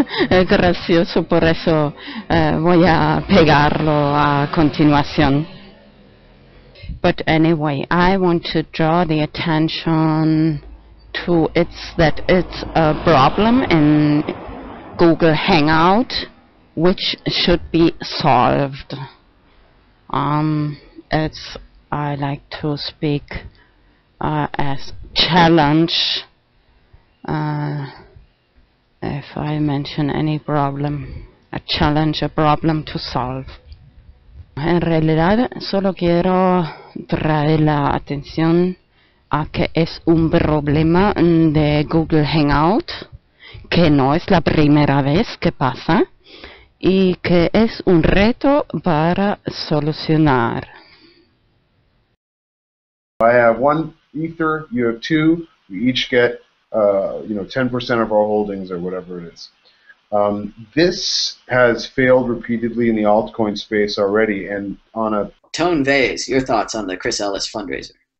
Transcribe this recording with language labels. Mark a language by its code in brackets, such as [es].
[es] Es gracioso, por eso voy a pegarlo a continuación. [en] But anyway, I want to draw the attention to it's a problem in Google Hangout, which should be solved. I like to speak as challenge if I mention any problem, a challenge, a problem to solve. [es] En realidad, solo quiero traer la atención a que es un problema de Google Hangout, que no es la primera vez que pasa, y que es un reto para solucionar. [en] I have one Ether, you have two, we each get 10% of our holdings or whatever it is. This has failed repeatedly in the altcoin space already, and on a... Tone Vase, your thoughts on the Chris Ellis fundraiser?